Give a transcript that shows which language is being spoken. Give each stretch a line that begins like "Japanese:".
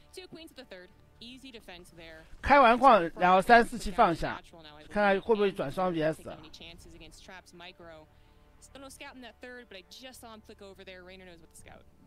English: Two queens at the third, easy defense there.
Chinese: 开完矿，然后三四七放下，看看会不会转双 VS。
English: Any chances against Traps Micro? Still no scout in that third, but I just saw him click over there. Rainer knows what to scout.